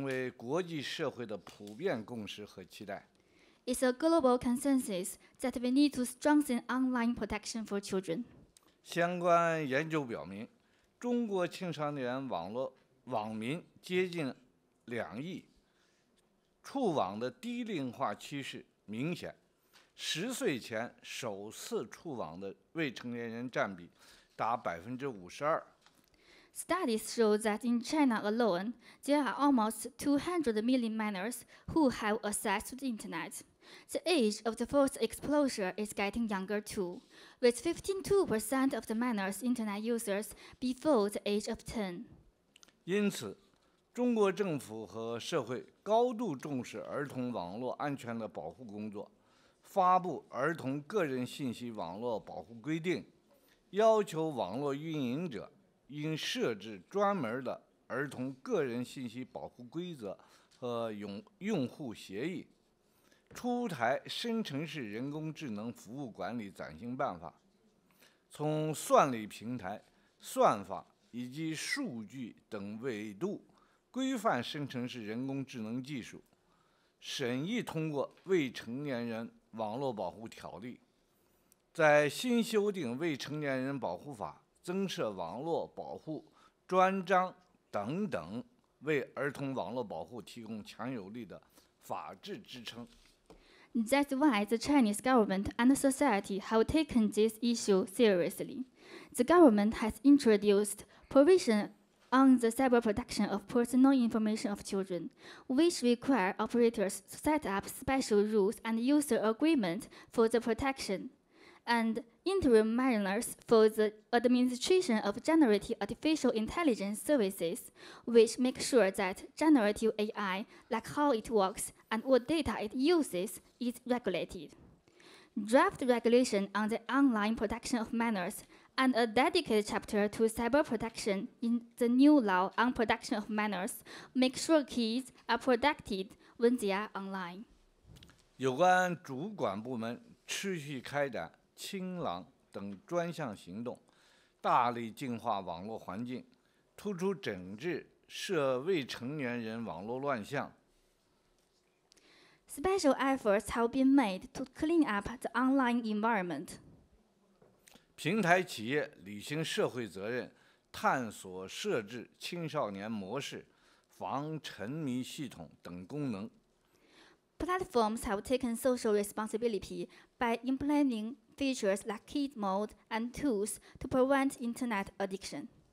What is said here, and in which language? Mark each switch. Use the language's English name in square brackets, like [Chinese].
[Chinese] 加强儿童网络保护已成为国际社会的普遍共识和期待。 [English] It's a global consensus that we need to strengthen online protection for children. [Chinese] 相关研究表明, 中国青少年网络网民接近2亿, 触网的低龄化趋势明显, 10岁前首次触网的未成年人占比达 52%。 [English] Studies show that in China alone, there are almost 200 million minors who have access to the internet. The age of the first exposure is getting younger too, with 52% of the minors internet users before the age of 10. [Chinese] 因此，中国政府和社会高度重视儿童网络安全的保护工作，发布《儿童个人信息网络保护规定》，要求网络运营者应设置专门的儿童个人信息保护规则和用户协议，出台深层式人工智能服务管理暂行办法，从算力平台、算法以及数据等维度规范深层式人工智能技术，审议通过未成年人网络保护条例，在新修订未成年人保护法增设网络保护专章等等，为儿童网络保护提供强有力的法治支撑。 [English] That's why the Chinese government and society have taken this issue seriously. The government has introduced provision on the cyber protection of personal information of children, which require operators to set up special rules and user agreement for the protection, and interim measures for the administration of generative artificial intelligence services, which make sure that generative AI, like how it works and what data it uses, is regulated. Draft regulation on the online protection of minors and a dedicated chapter to cyber protection in the new law on protection of minors make sure kids are protected when they are online. [Chinese] 有关主管部门持续开展清朗等专项行动，大力净化网络环境，突出整治涉未成年人网络乱象。 [English] Special efforts have been made to clean up the online environment. [Chinese] 平台企业履行社会责任，探索设置青少年模式、防沉迷系统等功能。 [English] Platforms have taken social responsibility by implementing features like kid mode and tools to prevent internet addiction.